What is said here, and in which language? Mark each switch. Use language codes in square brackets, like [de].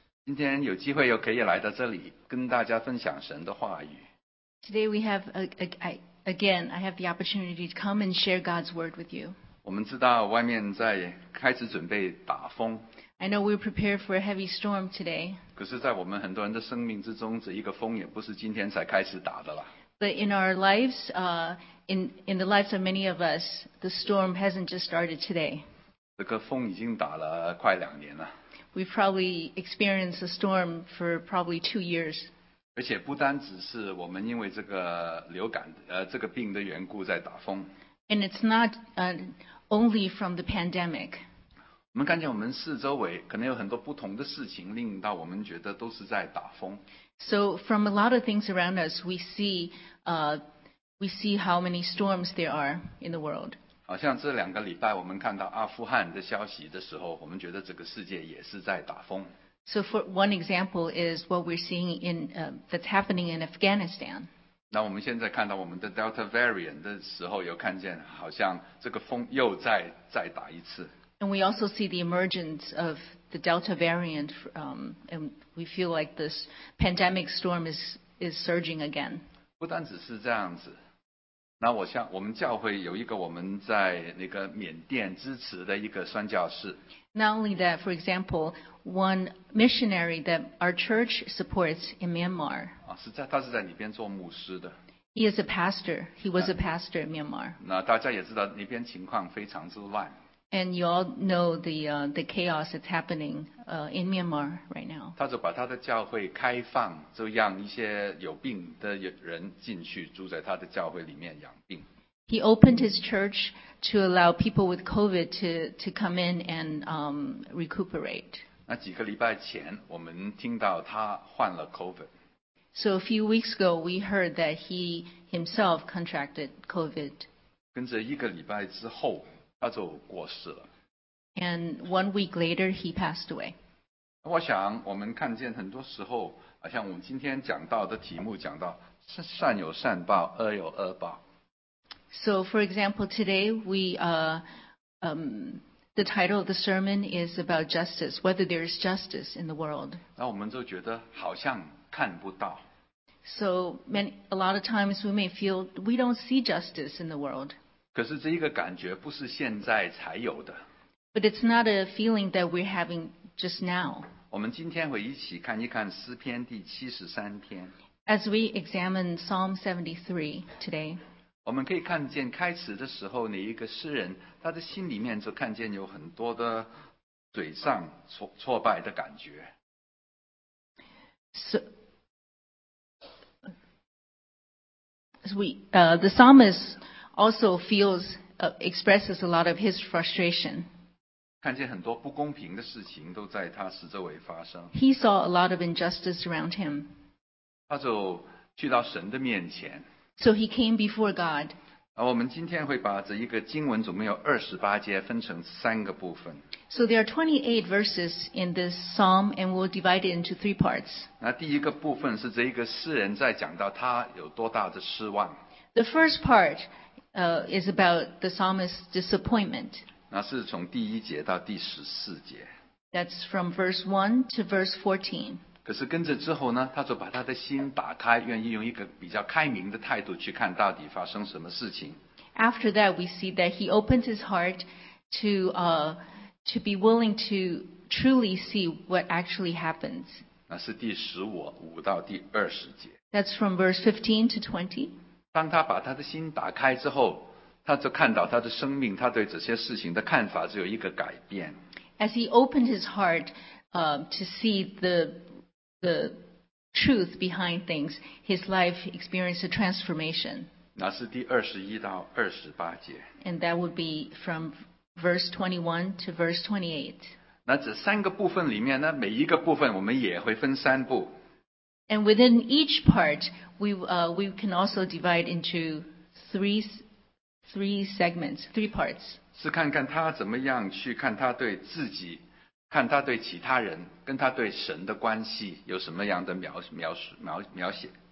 [yue] 今天有机会又可以来到这里跟大家分享神的话语。 [en] Today we have, I have the opportunity to come and share God's word with you. [yue] 我们知道外面在开始准备打风。 [en] I know we're prepared for a heavy storm today. [yue] 可是在我们很多人的生命之中，这一个风也不是今天才开始打的了。 [en] But in our lives, in the lives of many of us, the storm hasn't just started today. [yue] 这个风已经打了快两年了。 [en] We've probably experienced a storm for probably 2 years. [yue] 而且不单只是我们因为这个流感，这个病的缘故在打风。 [en] And it's not only from the pandemic. [yue] 我们看见我们四周围可能有很多不同的事情，令到我们觉得都是在打风。 [en] So from a lot of things around us, we see how many storms there are in the world. [yue] 好像这两个礼拜我们看到阿富汗的消息的时候，我们觉得这个世界也是在打风。 [en] So for one example is what we're seeing in that's happening in Afghanistan. [yue] 那我们现在看到我们的 Delta variant 的时候，又看见好像这个风又再打一次。 [en] And we also see the emergence of the Delta variant, and we feel like this pandemic storm is surging again. [yue] 不单只是这样子，那我像我们教会有一个我们在那个缅甸支持的一个宣教士。 [en] Not only that, for example, one missionary that our church supports in Myanmar. [yue] 啊，是在他是在里边做牧师的。 [en] He is a pastor. He was a pastor in Myanmar. [yue] 那大家也知道那边情况非常之乱。 [en] And you all know the chaos that's happening in Myanmar right now. [yue] 他就把他的教会开放，就让一些有病的人进去住在他的教会里面养病。 [en] He opened his church to allow people with COVID to come in and recuperate. [yue] 那几个礼拜前，我们听到他患了 COVID. [en] So a few weeks ago, we heard that he himself contracted COVID. [yue] 跟着一个礼拜之后。他就过世了。 [en] And 1 week later, he passed away. [yue] 我想我们看见很多时候，像我们今天讲到的题目，讲到善有善报，恶有恶报。 [en] So, for example, today we the title of the sermon is about justice, whether there is justice in the world. [yue] 那我们就觉得好像看不到。 [en] So many, a lot of times we may feel we don't see justice in the world. [yue] 可是这一个感觉不是现在才有的。 [en] But it's not a feeling that we're having just now. [yue] 我们今天会一起看一看诗篇第七十三篇。 [en] As we examine Psalm 73 today. [yue] 我们可以看见开始的时候，那一个诗人他的心里面就看见有很多的沮丧、挫败的感觉。 [en] The psalmist. Also feels, expresses a lot of his frustration. [yue] 看见很多不公平的事情都在他四周围发生。 [en] He saw a lot of injustice around him. [yue] 他就去到神的面前。 [en] So he came before God. [yue] 我们今天会把这一个经文总共有二十八节分成三个部分。 [en] So there are 28 verses in this psalm and we'll divide it into 3 parts. [yue] 那第一个部分是这一个诗人在讲到他有多大的失望。 [en] The first part,is about the psalmist's disappointment. [yue] 那是从第一节到第十四节。 [en] That's from verse 1 to verse 14. [yue] 可是跟着之后呢，他就把他的心打开，愿意用一个比较开明的态度去看到底发生什么事情。 [en] After that, we see that he opens his heart to be willing to truly see what actually happens. [yue] 那是第十五五到第二十节。 [en] That's from verse 15 to 20. [yue] 当他把他的心打开之后，他就看到他的生命，他对这些事情的看法就有一个改变。 [en] As he opened his heart, to see the truth behind things, his life experienced a transformation. [yue] 那是第二十一到二十八节。 [en] And that would be from verse 21 to verse 28. [yue] 那这三个部分里面呢，每一个部分我们也会分三步。 [en] And within each part, we can also divide into three segments, 3 parts. [yue] 是看看他怎么样去看他对自己，看他对其他人，跟他对神的关系有什么样的描写。